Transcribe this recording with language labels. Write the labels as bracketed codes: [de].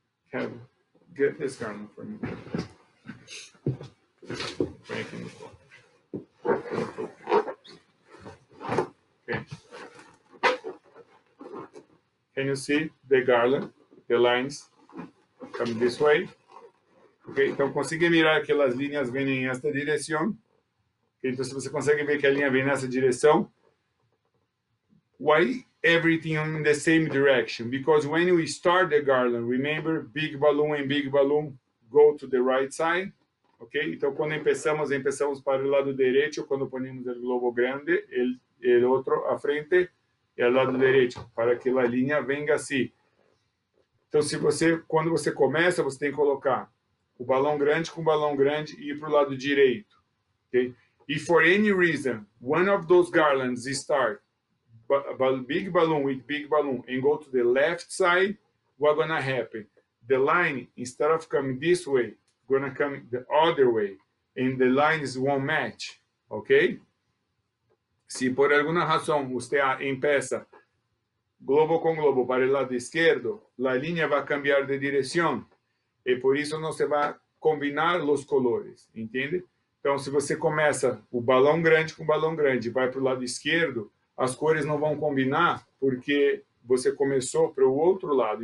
[en] Can get this garland for me. Thank you. Can you see the garland, the lines come this way? [pt] Ok, então consegui mirar aquelas linhas vêm em esta direção. Okay, então, se você consegue ver que a linha vem nessa direção. [en] Why everything in the same direction? Because when we start the garland, remember, big balloon and big balloon go to the right side. Ok? [pt] Então, quando começamos para o lado direito, quando ponemos o globo grande, o outro à frente é o lado direito, para que a linha venha assim. Então, se você, quando você começa, você tem que colocar o balão grande com o balão grande e ir para o lado direito. Ok? [en] If for any reason, one of those garlands start big balloon with big balloon and go to the left side, what's going to happen? The line, instead of coming this way, going to come the other way, and the lines won't match, okay? [pt] Se por alguma razão você empeça globo com globo para o lado esquerdo, a linha vai cambiar de direção, e por isso não se vai combinar os colores, entende? Então, se você começa o balão grande com o balão grande, vai para o lado esquerdo, as cores não vão combinar porque você começou para o outro lado.